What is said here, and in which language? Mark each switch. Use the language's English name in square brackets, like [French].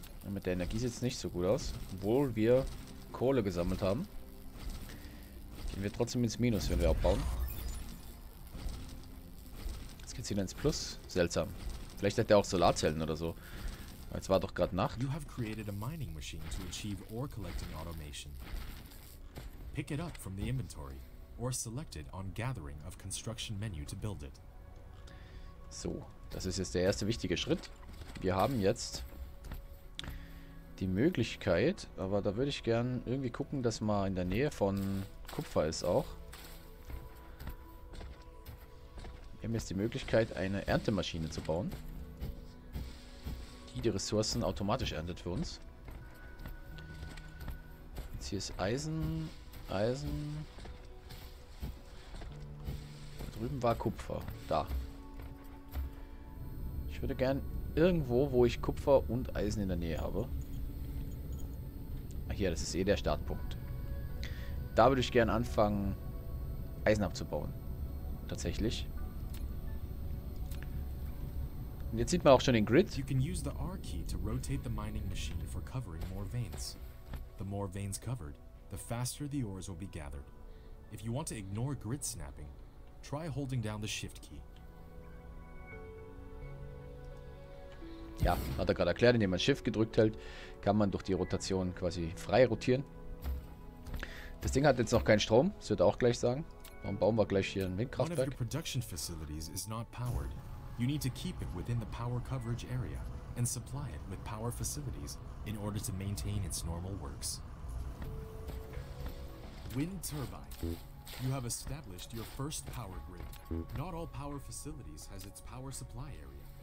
[German] Mit der Energie sieht es nicht so gut aus. Obwohl wir Kohle gesammelt haben. Gehen wir trotzdem ins Minus, wenn wir abbauen. Jetzt geht es wieder ins Plus. Seltsam. Vielleicht hat er auch Solarzellen oder so. Jetzt war doch gerade Nacht. [English] You have created a mining machine to achieve ore collecting automation. Pick it up from the inventory or select it on gathering of construction menu to build it. [German] So, das ist jetzt der erste wichtige Schritt. Wir haben jetzt die Möglichkeit, aber da würde ich gern irgendwie gucken, dass mal in der Nähe von Kupfer ist auch. Wir haben jetzt die Möglichkeit, eine Erntemaschine zu bauen, die die Ressourcen automatisch erntet für uns. Jetzt hier ist Eisen. Da drüben war Kupfer. Da. Ich würde gern irgendwo, wo ich Kupfer und Eisen in der Nähe habe. Hier, das ist eh der Startpunkt. Da würde ich gerne anfangen, Eisen abzubauen. Tatsächlich. Und jetzt sieht man auch schon den Grid. [English] You can use the R key to rotate the mining machine for covering more veins. The more veins covered, the faster the ores will be gathered. If you want to ignore grid snapping, try holding down the Shift key. [German] Ja, hat er gerade erklärt, indem man Shift gedrückt hält, kann man durch die Rotation quasi frei rotieren. Das Ding hat jetzt noch keinen Strom, das wird er auch gleich sagen. Dann bauen wir gleich hier ein Windkraftwerk. [English] One of your production facilities is not powered. You need to keep it within the power coverage area and supply it with power facilities in order to maintain its normal works. Wind turbine. You have established your first power grid. Not all power facilities has its power supply area.